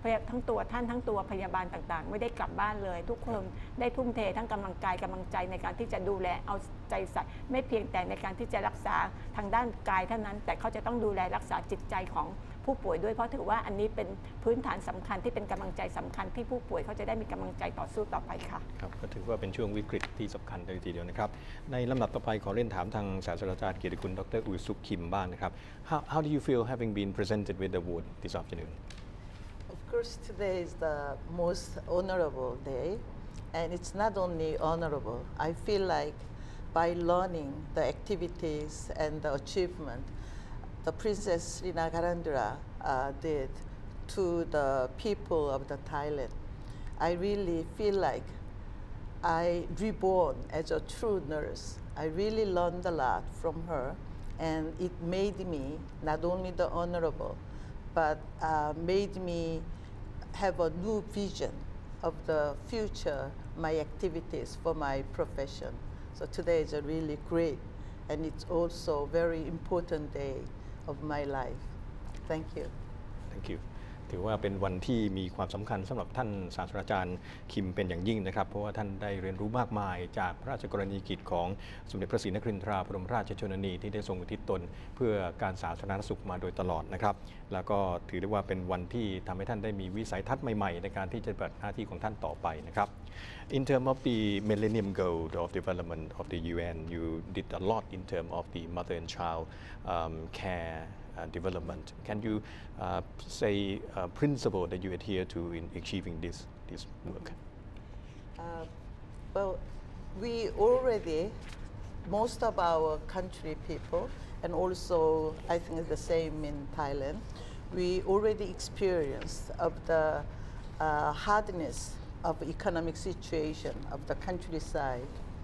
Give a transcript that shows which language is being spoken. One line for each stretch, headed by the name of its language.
Thai: ทั้งตัวท่านทั้งตัวพยาบาลต่างๆไม่ได้กลับบ้านเลยทุกคนได้ทุ่มเททั้งกำลังกายกำลังใจในการที่จะดูแลเอาใจใส่ไม่เพียงแต่ในการที่จะรักษาทางด้านกายเท่านั้นแต่เขาจะต้องดูแลรักษาจิตใจของผู้ป่วยด้วยเพราะถือว่าอันนี้เป็นพื้นฐานสำคัญที่เป็นกำลังใจสำคัญที่ผู้ป่วยเขาจะได้มีกำลังใจต่อสู้ต่อไปค่ะ ครับก็ถือว่าเป็นช่วงวิกฤตที่สำคัญเลยทีเดียวนะครับในลำดับต่อไปขอเล่นถามทางศาสตราจารย์เกียรติคุณดร. อุสุคิมบ้างนะครับ
English: How do you feel having been presented with the award this afternoon? Of course today is the most honorable day and it's not only honorable I feel like by learning the activities and the achievementThe Princess Srinagarindra did to the people of the Thailand. I really feel like I reborn as a true nurse. I really learned a lot from her, and it made me not only the honorable, but made me have a new vision of the future, my activities for my profession. So today is a really great, and it's also very important day. Of my life. Thank you. Thank you.
Thai: ถือว่าเป็นวันที่มีความสำคัญสำหรับท่านศาสตราจารย์คิมเป็นอย่างยิ่งนะครับเพราะว่าท่านได้เรียนรู้มากมายจากพระราชกรณียกิจของสมเด็จพระศรีนครินทราบรมราชชนนีที่ได้ทรงอุทิศตนเพื่อการสาธารณสุขมาโดยตลอดนะครับแล้วก็ถือได้ว่าเป็นวันที่ทำให้ท่านได้มีวิสัยทัศน์ใหม่ๆในการที่จะปฏิบัติหน้าที่ของท่านต่อไปนะครับ
English: In terms of the Millennium Goal of Development of the UN you did a lot in terms of the mother and child careDevelopment. Can you say a principle that you adhere to in achieving this work? Well, we already, most of our country people, and also I think it's the same in Thailand, we already experienced of the hardness of economic situation of the countryside.